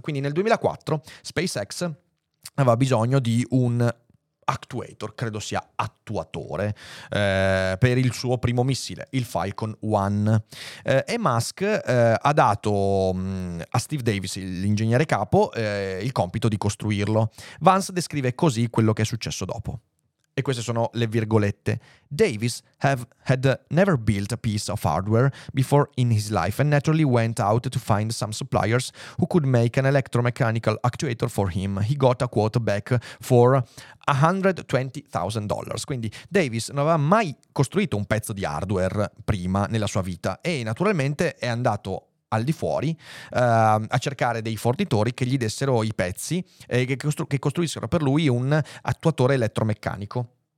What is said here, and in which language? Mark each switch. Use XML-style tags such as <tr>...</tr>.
<it>Quindi nel 2004 SpaceX aveva bisogno di un actuator, credo sia attuatore, per il suo primo missile, il Falcon 1. E Musk ha dato a Steve Davis, l'ingegnere capo, il compito di costruirlo. Vance descrive così quello che è successo dopo. E queste sono le virgolette.</it> <en>Davis had never built a piece of hardware before in his life and naturally went out to find some suppliers who could make an electromechanical actuator for him. He got a quote back for $120,000.</en> <it>Quindi Davis non aveva mai costruito un pezzo di hardware prima nella sua vita e naturalmente è andato al di fuori a cercare dei fornitori che gli dessero i pezzi e che costruissero per lui un attuatore elettromeccanico.</it>